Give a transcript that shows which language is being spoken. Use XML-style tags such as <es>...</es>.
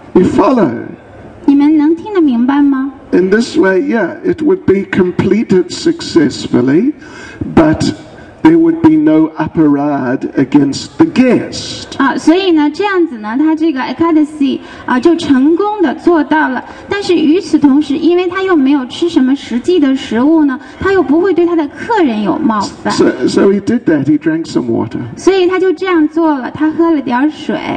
<en>You follow?</en> <zh>你们能听得明白吗？</zh> <en>In this way, yeah, it would be completed successfully, but. There would be no aparad against the guest.</en> <zh>所以呢，这样子呢，他这个 Ekadasi 就成功的做到了。但是与此同时，因为他又没有吃什么实际的食物呢，他又不会对他的客人有冒犯。</zh> <en>So he did that. He drank some water.</en> <zh>所以他就这样做了，他喝了点水。</zh>